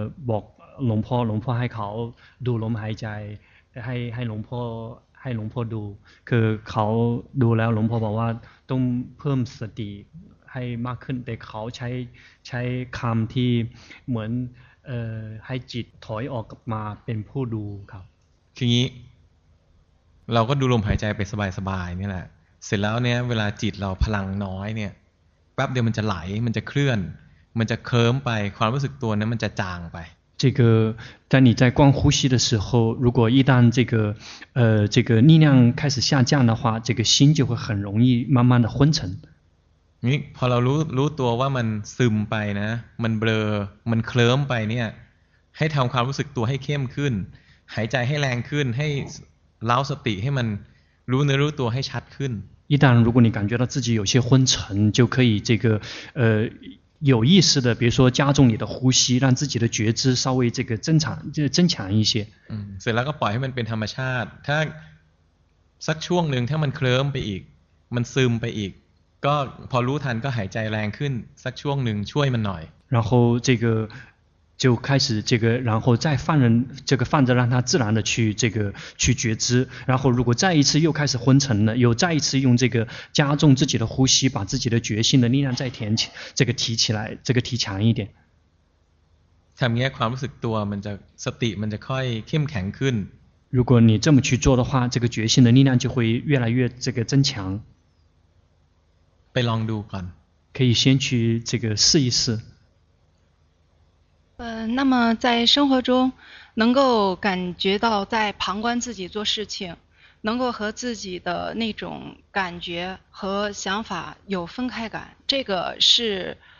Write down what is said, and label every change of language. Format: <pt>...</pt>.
<th>บอกหลวงพ่อหลวงพ่อให้เขาดูลมหายใจให้หลวงพ่อให้หลวงพ่อดูคือเขาดูแล้วหลวงพ่อบอกว่าต้องเพิ่มสติให้มากขึ้นแต่เขาใช้คำที่เหมือนให้จิตถอยออกมาเป็นผู้ดูครับ คืองี้เราก็ดูลมหายใจไปสบายสบายนี่แหละเสร็จแล้วเนี้ยเวลาจิตเราพลังน้อยเนี่ยแป๊บเดียวมันจะไหลมันจะเคลื่อนมันจะเคลิ้มไปความรู้สึกตัวนั้นมันจะจางไป</th> <zh>这个在你在光呼吸的时候，如果一旦这个力量开始下降的话，这个心就会很容易慢慢的昏沉。</zh> <th>你พอเรารู้ตัวว่ามันซึมไปนะมันเบลอมันเคลิ้มไปเนี่ยให้ทำความรู้สึกตัวให้เข้มขึ้นหายใจให้แรงขึ้นให้เล้าสติให้มันรู้เนื้อรู้ตัวให้ชัดขึ้น</th> <zh>一旦如果你感觉到自己有些昏沉，就可以这个有意识的，比如说加重你的呼吸，让自己的觉知稍微这个增强一些。</zh> <th>嗯，เสร็จแล้วก็ปล่อยให้มันเป็นธรรมชาติถ้าสักช่วงหนึ่งถ้ามันเคลิ้มไปอีกมันซึมไปอีกก็พอรู้ทันก็หายใจแรงขึ้นสักช่วงหนึ่งช่วยมันหน่อย</th> <zh>然后这个就开始这个然后再放任这个放着让它自然的去这个去觉知然后如果再一次又开始昏沉了又再一次用这个加重自己的呼吸把自己的觉性的力量再填起这个提起来这个提强一点</zh> <th>ทำอย่างนี้ความรู้สึกตัวมันจะสติมันจะค่อยเข้มแข็งขึ้น</th> <zh>如果你这么去做的话这个觉性的力量就会越来越这个增强</zh> <th>ไปลองดูก่อน</th> <zh>可以先去这个试一试那么在生活中能够感觉到在旁观自己做事情能够和自己的那种感觉和想法有分开感这个是</zh>